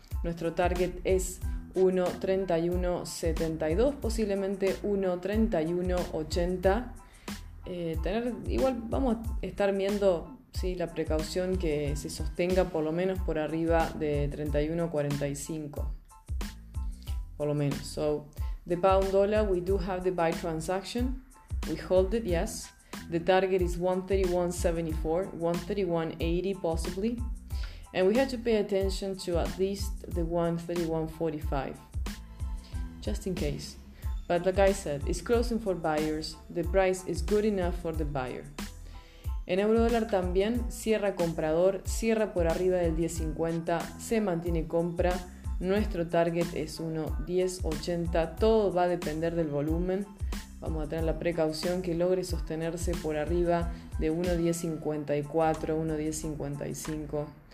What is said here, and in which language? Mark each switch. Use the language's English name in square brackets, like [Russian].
[Spanish] Nuestro target es 1.3172, posiblemente 1.3180. Igual vamos a estar viendo, ¿sí?, la precaución que se sostenga por lo menos por arriba de 31.45. Por lo menos. [English] So, the pound dollar, we do have the buy transaction. We hold it, yes. The target is 131.74, 131.80 possibly. And we have to pay attention to at least the 131.45. Just in case. But like I said, it's closing for buyers. The price is good enough for the buyer. [Spanish] En euro dólar también, cierra comprador, cierra por arriba del 10.50, se mantiene compra. Nuestro target es 1.1080. Todo va a depender del volumen. Vamos a tener la precaución que logre sostenerse por arriba de 1.1054, 1.1055.